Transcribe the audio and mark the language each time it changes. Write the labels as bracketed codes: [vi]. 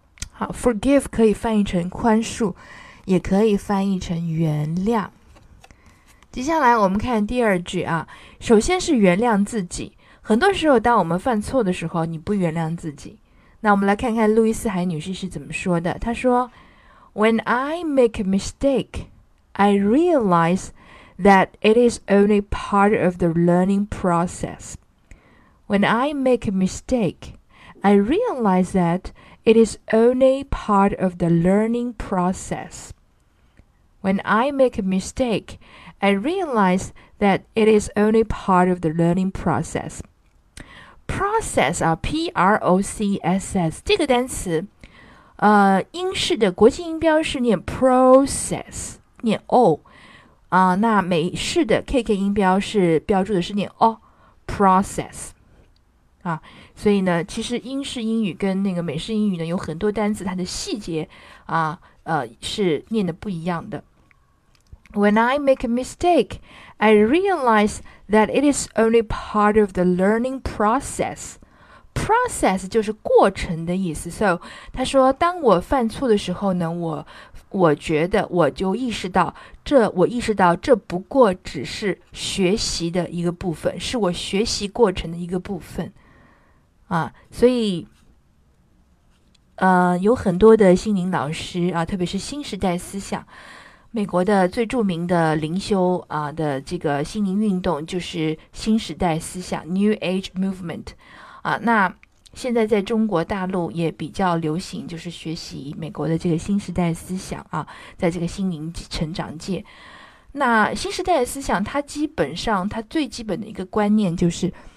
[zh] 好， forgive 可以翻译成宽恕，也可以翻译成原谅。接下来我们看第二句啊，首先是原谅自己。很多时候当我们犯错的时候，你不原谅自己，那我们来看看路易斯海女士是怎么说的。她说 [en] When I make a mistake, I realize that it is only part of the learning process. When I make a mistake, I realize that it is only part of the learning process. When I make a mistake, I realize that it is only part of the learning process. [zh] Process 啊 ，P-R-O-C-S-S 这个单词，英式的国际音标是念 process， 念 o 啊，那美式的 KK 音标是标注的是念 o process 啊，所以呢，其实英式英语跟那个美式英语呢，有很多单词它的细节啊，是念的不一样的。 [en] When I make a mistake, I realize that it is only part of the learning process. [zh] Process 就是过程的意思。 [en] So, [zh] 他说当我犯错的时候呢，我觉得我就意识到这，我意识到这不过只是学习的一个部分，是我学习过程的一个部分。所以有很多的心灵老师啊，特别是新时代思想，美国的最著名的灵修啊的这个心灵运动就是新时代思想 New Age Movement 啊，那现在在中国大陆也比较流行，就是学习美国的这个新时代思想啊，在这个心灵成长界，那新时代思想它基本上它最基本的一个观念就是，